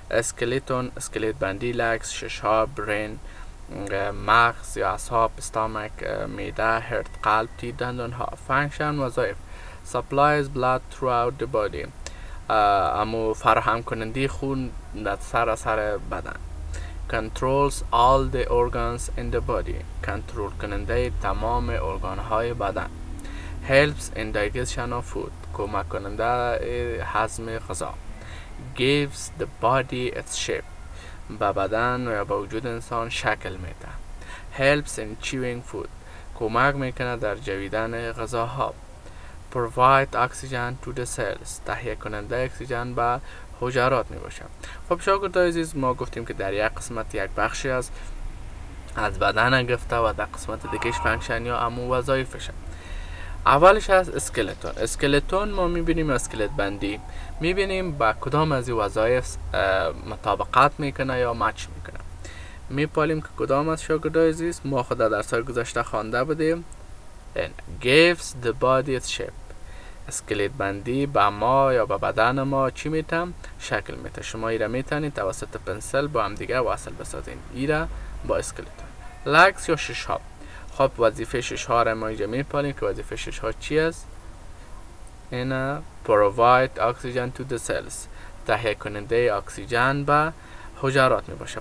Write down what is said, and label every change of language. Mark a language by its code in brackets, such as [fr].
[en] Skeleton, [fa] skelet bandi, [en] legs, [fa] shisha, [en] brain, [fa] مغز یا اعصاب, [en] stomach, [fa] معده, [en] heart, [fa] قلب, [en] teeth, [fa] دندان ها. [en] Function, [fa] وظایف: [en] supplies blood throughout the body. [fa] امو فراهم کنندی خون در سراسر بدن. [en] Controls all the organs in the body. [fa] کنترل کننده تمام ارگان های بدن. [en] Helps in digestion of food. [fa] کمک کننده هضم غذا. [en] Gives the body its shape. [fa] به بدن و به وجود انسان شکل میده. [en] Helps in chewing food. [fa] کمک میکنه در جویدن غذاها. [en] Provide oxygen to the cells. [fa] تهیه کننده اکسیژن به حجرات میباشه. خب شاگرد عزیز، ما گفتیم که در یک قسمت یک بخشی از بدن گفته و در قسمت دیگهش فنکشن یا امو وظایفشه. اولش از اسکلتون. اسکلتون ما میبینیم، اسکلت بندی میبینیم با کدام از این وظایف مطابقت میکنه یا مچ میکنه. میپالیم که کدام از شاگردای عزیز ما خود در سال گذشته خوانده بودیم. [en] Gives the body its shape. [fa] اسکلت بندی با ما یا با بدن ما چی میتم؟ شکل میتم. شما ایره میتونید توسط پنسل با هم دیگه وصل بسازین. ایره با اسکلتون. Legs یا ششها. خب وظیفه ششها را ما اینجا میپالیم که وظیفه ششها چی است؟ اینا [en] provide oxygen to the cells، [fa] تهیه کننده اکسیژن به حجرات میباشه.